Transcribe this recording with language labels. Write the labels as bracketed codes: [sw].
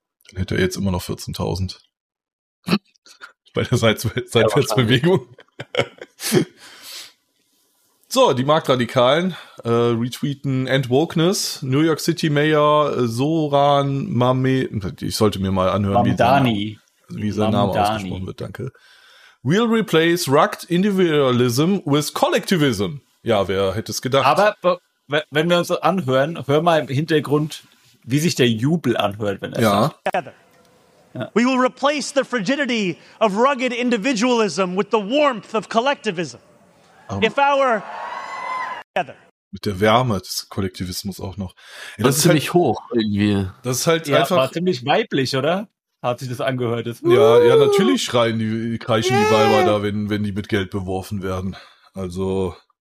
[de] Dann hätte er jetzt immer noch 14.000. Bei der Seitwärtsbewegung. So, die Marktradikalen retweeten Endwokeness. [en] New York City Mayor Soran Mame. [de] Ich sollte mir mal anhören, wie sein Name ausgesprochen wird. Danke. [en] We'll replace rugged individualism with collectivism. [de] Ja, wer hätte es gedacht? Aber wenn wir uns anhören, hör mal im Hintergrund, wie sich der Jubel anhört, wenn er sagt. [en] We will replace the frigidity of rugged individualism with the warmth of collectivism. If our together. [de] Mit der Wärme des Kollektivismus auch noch. Ja, das ist ziemlich halt, hoch irgendwie. Das ist halt einfach. War ziemlich weiblich, oder? Hat sich das angehört? Das ja, natürlich schreien die, kreischen die Weiber da, wenn die mit Geld beworfen werden. Also.